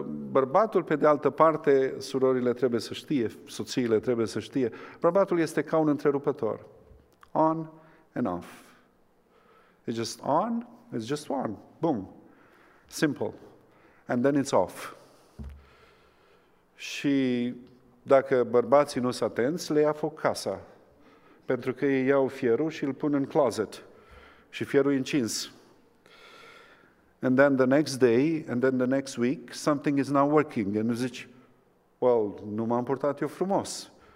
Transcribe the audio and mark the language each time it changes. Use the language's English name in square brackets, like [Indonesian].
[Romanian] Bărbatul, pe de altă parte, surorile trebuie să știe, soțiile trebuie să știe, bărbatul este ca un întrerupător, on and off. [English] It's just on, it's just one, boom, simple, and then it's off. [Romanian] Și dacă bărbații nu sunt atenți, le ia foc casa, pentru că ei iau fierul și îl pun în closet, și fierul e încins. [English] And then the next day, and then the next week, something is not working, and zici, well, nu m-am purtat eu frumos.